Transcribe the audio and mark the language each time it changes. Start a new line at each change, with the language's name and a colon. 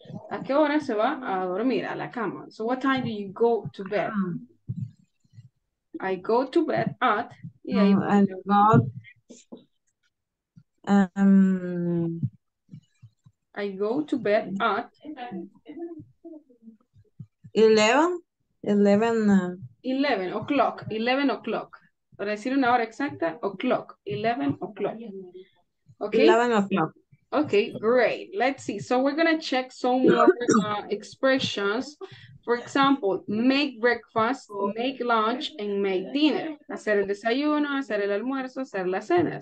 Spanish: ¿A qué hora se va a dormir a la cama?
English: So what time do you go to bed? I go to bed at I go to bed at 11 o'clock. 11 o'clock.
Spanish: Para decir una hora exacta,
English: o'clock, 11 o'clock. Okay. 11 o'clock. Okay, great. Let's see. So we're going to check some more expressions. For example, make breakfast, make lunch, and make dinner.
Spanish: Hacer el desayuno, hacer el almuerzo, hacer la cena.